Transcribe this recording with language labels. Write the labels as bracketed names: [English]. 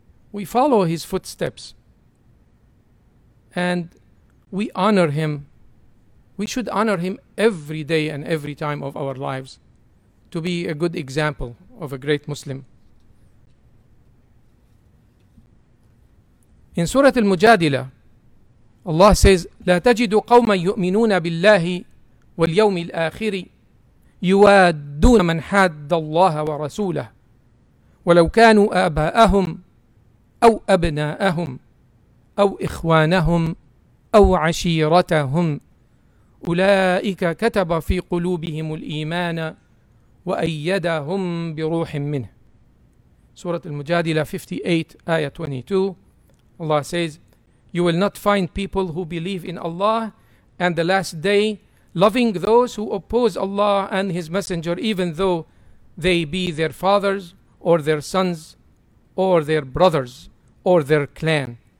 [English] We follow his footsteps and we honor him. We should honor him every day and every time of our lives to be a good example of a great Muslim. In Surah Al-Mujadila, Allah says, [Arabic] لا تجد قوما يؤمنون بالله واليوم الآخر يوادون من حاد الله ورسوله ولو كانوا آباءهم أو أبناءهم أو إخوانهم أو عشيرتهم أولئك كتب في قلوبهم الإيمان وأيدهم بروح منه. سورة المجادلة 58 آية 22. [English] Allah says, you will not find people who believe in Allah and the last day loving those who oppose Allah and His Messenger, even though they be their fathers or their sons or their brothers or their clan.